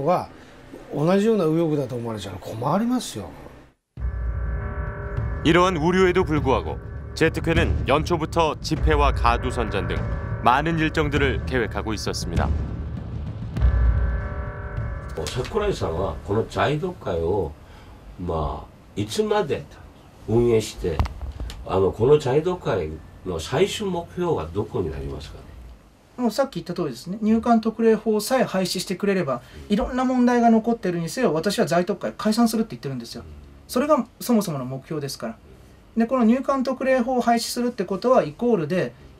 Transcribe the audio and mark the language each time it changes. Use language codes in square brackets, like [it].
[ja] そんな歴史やね、ちゃんと勉強もしないし、右翼の歴史、人物、思想、哲学、そういうものを勉強してないで、単に韓国反対だと、喧嘩だと、感情的に韓国やっつけろ、中国やっつけろっていうのが、同じような右翼だと思われちゃうと困りますよ。 [ko] 이러한 우려에도 불구하고 제트퀘는 연초부터 집회와 가두 선전 등 많은 일정들을 계획하고 있었습니다. [ja] 桜井さんはこの在特会を、まあ、いつまで運営して、この在特会の最終目標はどこになりますかね。もうさっき言った通りですね、入管特例法さえ廃止してくれれば、いろんな問題が残ってるにせよ、私は在特会解散するって言ってるんですよ。それがそもそもの目標ですから。で、この入管特例法を廃止するってことは、イコールで、